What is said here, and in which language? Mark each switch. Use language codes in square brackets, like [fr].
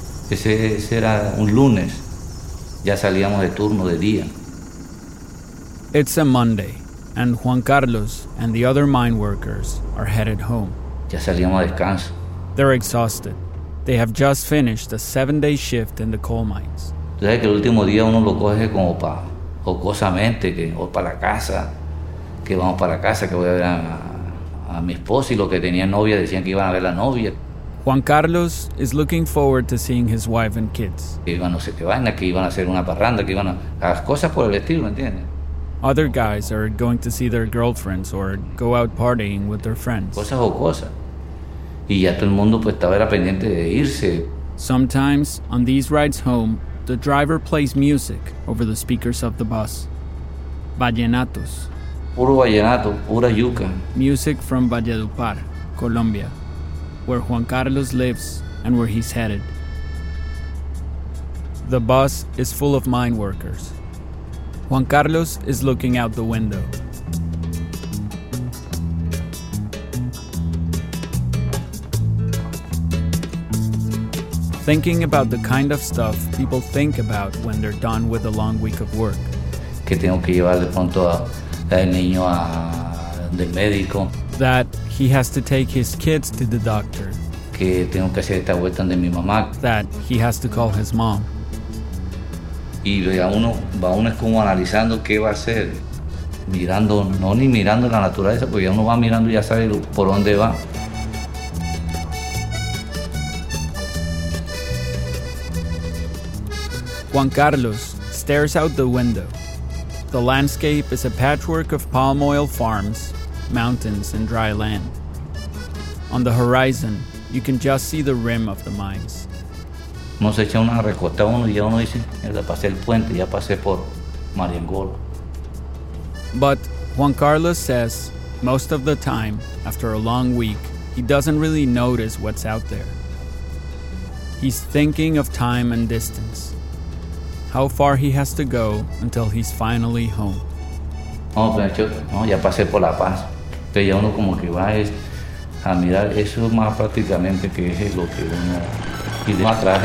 [es] Ese era un lunes. Ya salíamos de turno de día. [en] It's a Monday, and Juan Carlos and the other mine workers are headed home. [es] Ya salíamos a descanso. [en] They're exhausted. They have just finished a 7-day shift in the coal mines. [es] Sabes que el último día uno lo coge como para jocosamente, que o para la casa, que vamos para la casa, que voy a ver a mi esposa y lo que tenía novia decían que iban a ver la novia. [en] Juan Carlos is looking forward to seeing his wife and kids. [es] Iban no sé qué vaina, que iban a hacer una parranda, que iban a las cosas por el estilo, ¿me entiendes? [en] Other guys are going to see their girlfriends or go out partying with their friends. [es] Cosas o cosas. Y ya todo el mundo pues estaba era pendiente de irse. [en] Sometimes on these rides home, the driver plays music over the speakers of the bus. [es] Vallenatos. Puro vallenato, pura yuca. [en] Music from Valledupar, Colombia, where Juan Carlos lives and where he's headed. The bus is full of mine workers. Juan Carlos is looking out the window. Thinking about the kind of stuff people think about when they're done with a long week of work. [es] Que tengo que llevar de pronto al niño a del médico. [en] That he has to take his kids to the doctor. [es] Que tengo que hacer esta vuelta de mi mamá. [en] That he has to call his mom. [es] Y va uno es como analizando qué va a hacer, mirando, no ni mirando la naturaleza, porque ya uno va mirando y ya sabe por dónde va. [en] Juan Carlos stares out the window. The landscape is a patchwork of palm oil farms, mountains, and dry land. On the horizon, you can just see the rim of the mines. [es] Uno se echa una recosta uno y ya uno dice, ya pasé el puente, ya pasé por Mariangol. [en] But Juan Carlos says, most of the time, after a long week, he doesn't really notice what's out there. He's thinking of time and distance. How far he has to go until he's finally home. [es] No, ya pasé por La Paz. Entonces ya uno como que va a mirar eso más prácticamente que es lo que uno...